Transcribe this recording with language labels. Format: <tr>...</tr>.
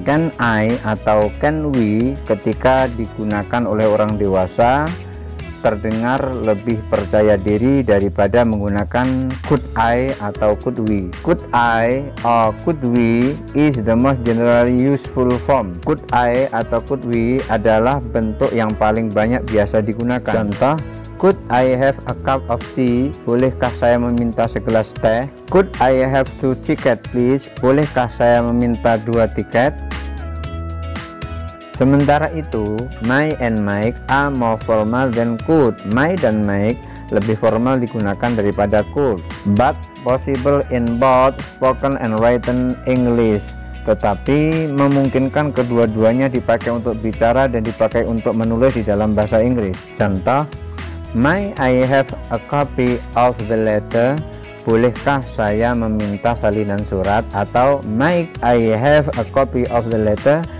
<id>Can I atau can we ketika digunakan oleh orang dewasa terdengar lebih percaya diri daripada menggunakan could I atau could we.</id> <en>Could I or could we is the most generally useful form.</en> <id>Could I atau could we adalah bentuk yang paling banyak biasa digunakan.</id> <en>Contoh, could I have a cup of tea?</en> <id>Bolehkah saya meminta segelas teh?</id> <en>Could I have two tickets please?</en> <id>Bolehkah saya meminta dua tiket? Sementara itu,</id> <en>my and might are more formal than could.</en> <id>My dan might lebih formal digunakan daripada could.</id> <en>But possible in both spoken and written English.</en> <id>Tetapi memungkinkan kedua-duanya dipakai untuk bicara dan dipakai untuk menulis di dalam bahasa Inggris.</id> <en>Contoh, may I have a copy of the letter?</en> <id>Bolehkah saya meminta salinan surat? Atau</id> <en>may I have a copy of the letter?</en>